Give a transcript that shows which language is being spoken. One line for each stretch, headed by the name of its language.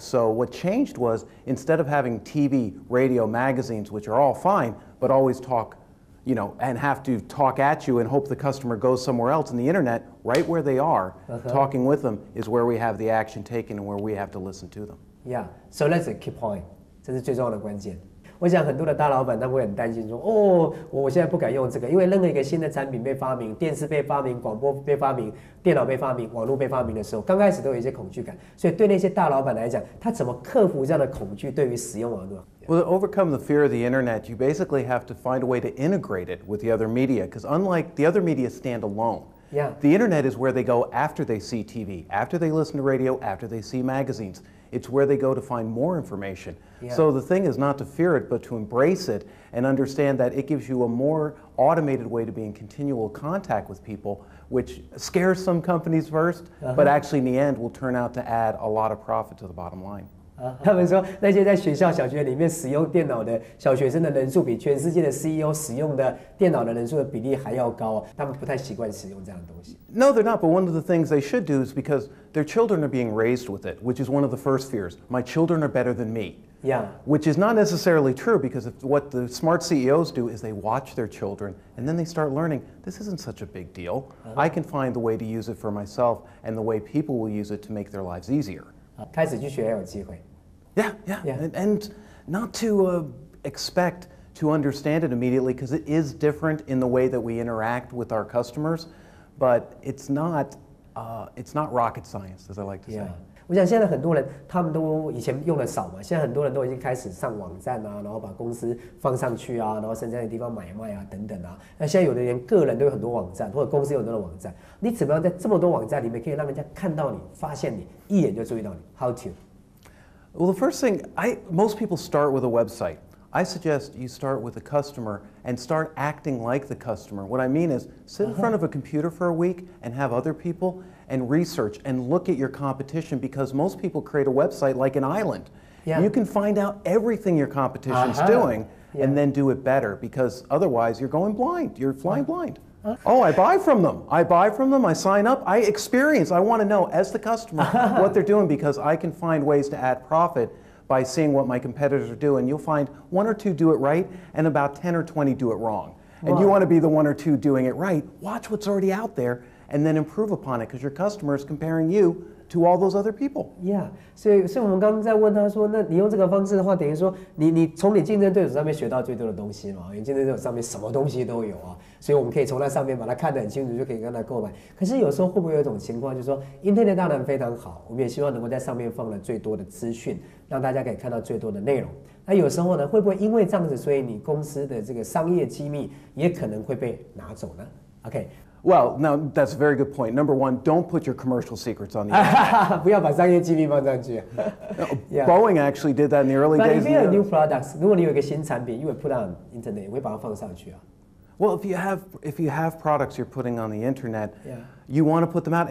English: So what changed was, instead of having TV, radio, magazines, which are all fine, but always talk, you know, and have to talk at you and hope the customer goes somewhere else, in the internet, right where they are, talking with them is where we have the action taken and where we have to listen to them. Yeah, so that's a key point.
Chinese: 这是最重要的关键。我想很多的大老板他会很担心说，哦，我现在不敢用这个，因为任何一个新的产品被发明，电视被发明，广播被发明，电脑被发明，网络被发明的时候，刚开始都有一些恐惧感。所以对那些大老板来讲，他怎么克服这样的恐惧，对于使用网络？
English: Well, to overcome the fear of the internet, you basically have to find a way to integrate it with the other media, because unlike the other media stand alone, the internet is where they go after they see TV, after they listen to radio, after they see magazines. It's where they go to find more information. So the thing is not to fear it, but to embrace it and understand that it gives you a more automated way to be in continual contact with people, which scares some companies first, but actually in the end will turn out to add a lot of profit to the bottom line.
Chinese: 他们说那些在学校小学里面使用电脑的小学生的人数比全世界的 CEO 使用的电脑的人数的比例还要高，他们不太习惯使用这样的东西。
English: No, they're not, but one of the things they should do is because their children are being raised with it, which is one of the first fears. My children are better than me. Yeah. Which is not necessarily true, because what the smart CEOs do is they watch their children and then they start learning, this isn't such a big deal. I can find the way to use it for myself and the way people will use it to make their lives easier.
Chinese: 开始去学还有机会。
English: Yeah. And not to expect to understand it immediately, because it is different in the way that we interact with our customers, but it's not rocket science, as I like to say.
Chinese: 我想现在很多人他们都以前用的少嘛，现在很多人都已经开始上网站啊，然后把公司放上去啊，然后甚至在地方买卖啊等等啊。那现在有的人个人都有很多网站，或者公司有很多的网站，你怎么样在这么多网站里面可以让人家看到你、发现你、一眼就注意到你 ？
English: How to？ Well, the first thing, most people start with a website. I suggest you start with the customer and start acting like the customer. What I mean is sit in front of a computer for a week and have other people and research and look at your competition, because most people create a website like an island. Yeah. You can find out everything your competition's doing and then do it better, because otherwise you're going blind. You're flying blind. Oh, I buy from them. I buy from them. I sign up. I experience. I want to know as the customer what they're doing, because I can find ways to add profit. By seeing what my competitors are doing, you'll find one or two do it right and about 10 or 20 do it wrong. And you want to be the one or two doing it right. Watch what's already out there and then improve upon it, because your customer is comparing you to all those other people.
Chinese: Yeah, 所以我们刚刚在问他说，那你用这个方式的话，等于说你从你竞争对手上面学到最多的东西嘛，因为竞争对手上面什么东西都有啊，所以我们可以从那上面把它看得很清楚，就可以跟他购买。可是有时候会不会有一种情况，就是说 ，Internet 当然非常好，我们也希望能够在上面放了最多的资讯，让大家可以看到最多的内容。那有时候呢，会不会因为这样子，所以你公司的这个商业机密也可能会被拿走呢 ？OK。
English: Well, now that's a very good point. Number one, don't put your commercial secrets on the
Chinese: internet. 不要把商业机密放上去。
English: Boeing actually did that in the early days. But if you have new products,
Chinese: 如果你有一个新产品，你会
English: put on internet，
Chinese: 会把它放上去啊。
English: Well, if you have products you're putting on the internet, you want to put them out.